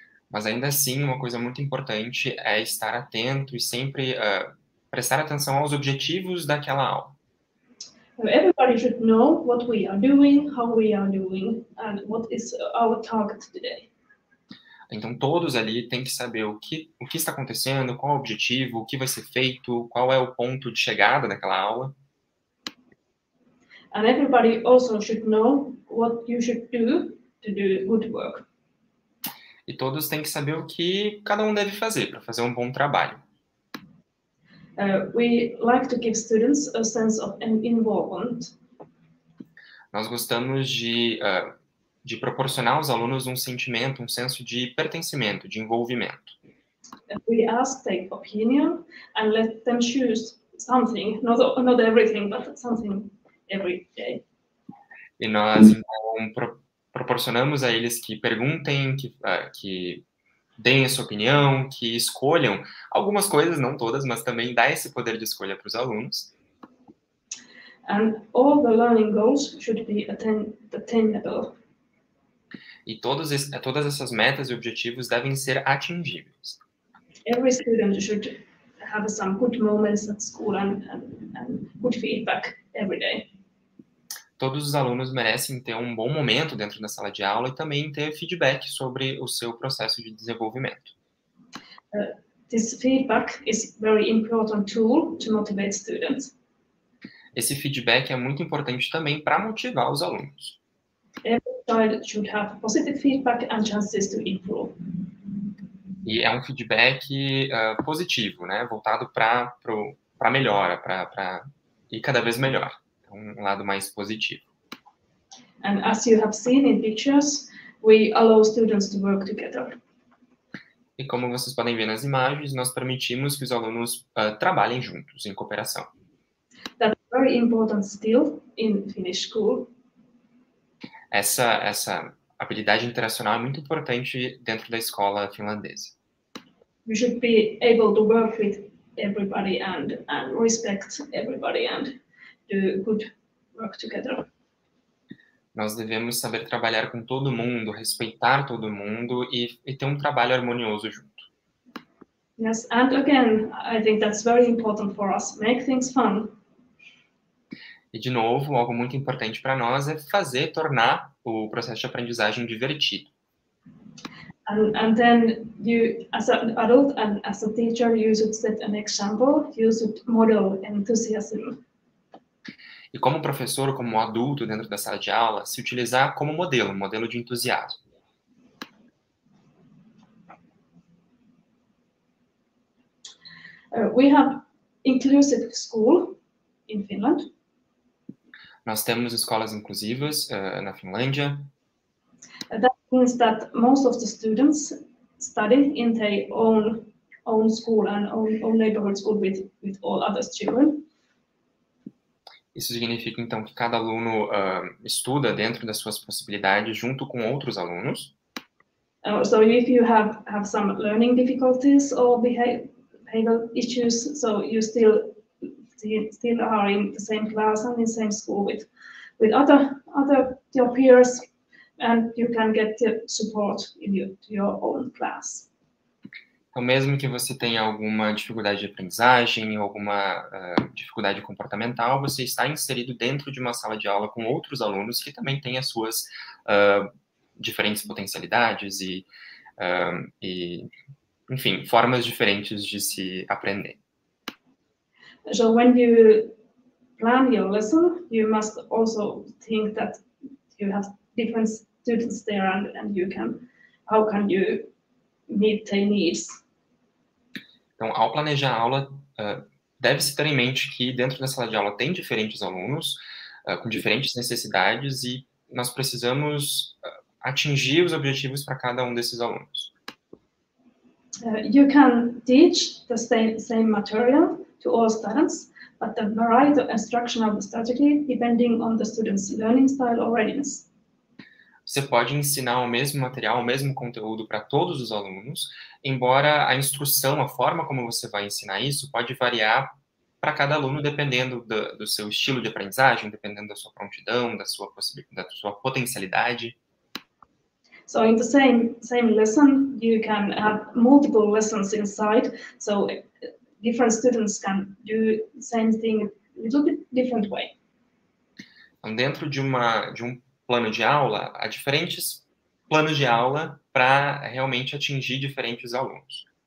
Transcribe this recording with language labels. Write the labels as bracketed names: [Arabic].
[Portuguese] Mas ainda assim, uma coisa muito importante é estar atento e sempre prestar atenção aos objetivos daquela aula. [English] Everybody should know what we are doing, how we are doing, and what is our target today. [Portuguese] Então todos ali têm que saber o que está acontecendo, qual o objetivo, o que vai ser feito, qual é o ponto de chegada daquela aula. [English] And everybody also should know what you should do to do good work. [Portuguese] E todos têm que saber o que cada um deve fazer para fazer um bom trabalho. [English] We like to give students a sense of an involvement. [Portuguese] Nós gostamos de proporcionar aos alunos um sentimento, um senso de pertencimento, de envolvimento. [English] We ask their opinion and let them choose something, not everything, but something. [Portuguese] E nós então, proporcionamos a eles que perguntem, que deem a sua opinião, que escolham algumas coisas, não todas, mas também dá esse poder de escolha para os alunos. [English] And all the learning goals should be attainable. [Portuguese] E todas essas metas e objetivos devem ser atingíveis. [English] Every student should have some good moments at school and good feedback every day. [Portuguese] Todos os alunos merecem ter um bom momento dentro da sala de aula e também ter feedback sobre o seu processo de desenvolvimento. [English] This feedback is very important tool to motivate students. [Portuguese] Esse feedback é muito importante também para motivar os alunos. [English] Every child should have positive feedback and chances to improve. [Portuguese] E é um feedback positivo, né? Voltado para melhora, para ir cada vez melhor. Um lado mais positivo. [English] And as you have seen in pictures, we allow students to work together. [Portuguese] E como vocês podem ver nas imagens, nós permitimos que os alunos trabalhem juntos, em cooperação. [English] That's very important still in Finnish school. [Portuguese] Essa habilidade interacional é muito importante dentro da escola finlandesa. [English] We should be able to work with everybody and respect everybody and do good work together. [Portuguese] Nós devemos saber trabalhar com todo mundo, respeitar todo mundo e ter um trabalho harmonioso junto. [English] Yes, and again, I think that's very important for us. Make things fun. [Portuguese] E de novo, algo muito importante para nós é fazer, tornar o processo de aprendizagem divertido. [English] And then you, as an adult and as a teacher, you should set an example, you should model enthusiasm. [Portuguese] E como professor, como adulto dentro da sala de aula, se utilizar como modelo, modelo de entusiasmo. [English] We have inclusive school in Finland. [Portuguese] Nós temos escolas inclusivas na Finlândia. [English] That means that most of the students study in their own school and own neighborhood school with all other children. [Portuguese] Isso significa, então, que cada aluno estuda dentro das suas possibilidades junto com outros alunos. [English] So if you have some learning difficulties or behavioral issues, so you still are in the same class and in the same school with other your peers, and you can get the support in your own class. [Portuguese] Então, mesmo que você tenha alguma dificuldade de aprendizagem, alguma dificuldade comportamental, você está inserido dentro de uma sala de aula com outros alunos que também têm as suas diferentes potencialidades e, enfim, formas diferentes de se aprender. [English] So, when you plan your lesson, you must also think that you have different students there and you can, how can you meet their needs? [Portuguese] Então, ao planejar a aula, deve-se ter em mente que dentro da sala de aula tem diferentes alunos com diferentes necessidades e nós precisamos atingir os objetivos para cada um desses alunos. [English] You can teach the same material to all students, but the variety of instruction of the strategy depending on the student's learning style or readiness. [Portuguese] Você pode ensinar o mesmo material, o mesmo conteúdo para todos os alunos, embora a instrução, a forma como você vai ensinar isso, pode variar para cada aluno, dependendo do seu estilo de aprendizagem, dependendo da sua prontidão, da sua potencialidade. [English] So in the same lesson, you can have multiple lessons inside, so different students can do the same thing a little bit different way. [Portuguese] Então, dentro de um plano de aula, há diferentes planos de aula para realmente atingir diferentes alunos.